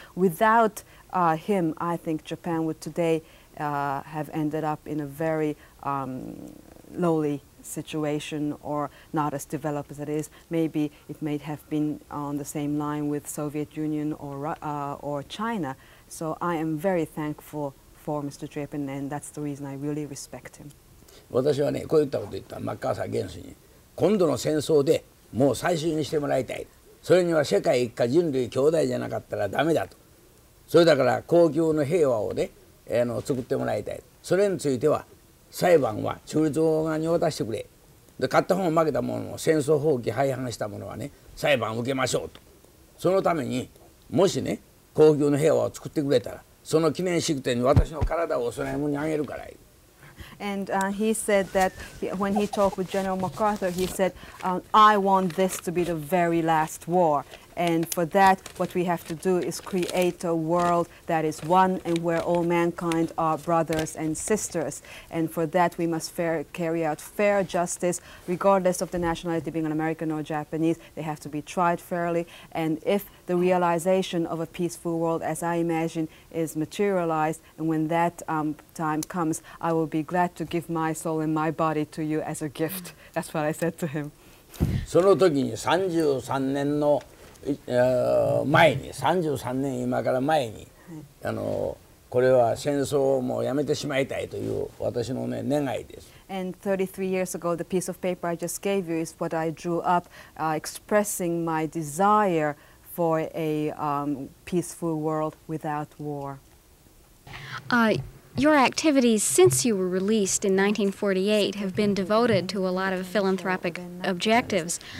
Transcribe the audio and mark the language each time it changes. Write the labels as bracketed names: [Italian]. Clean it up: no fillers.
[English] Without him, I think Japan would today have ended up in a very lowly situation, or not as developed as it is. Maybe it may have been on the same line with Soviet Union or China. So I am very thankful for Mr. Draper, and that's the reason I really respect him. [Japanese] 私はね、こういったことを言った、マッカーサー元帥に、今度の戦争でもう最終にしてもらいたい、それには世界一家人類兄弟じゃなかったらダメだと、それだから恒久の平和をね、作ってもらいたい、それについては裁判は中立側に渡してくれ、で勝った方負けた者も戦争放棄廃反した者はね、裁判を受けましょうと、そのためにもしね、恒久の平和を作ってくれたら、その記念式典に私の体をお供え物にあげるから。 [English] And he said that when he talked with General MacArthur, he said, I want this to be the very last war. And for that, what we have to do is create a world that is one and where all mankind are brothers and sisters. And for that, we must carry out fair justice, regardless of the nationality, being an American or Japanese. They have to be tried fairly. And if the realization of a peaceful world, as I imagine, is materialized, and when that time comes, I will be glad to give my soul and my body to you as a gift. That's what I said to him. [Japanese] その時に33年の前に、33年今から前に、これは戦争をもうやめてしまいたいという私の、ね、願いです。 [English] And 33 years ago, the piece of paper I just gave you is what I drew up, expressing my desire for a peaceful world without war. Your activities since you were released in 1948 have been devoted to a lot of philanthropic objectives.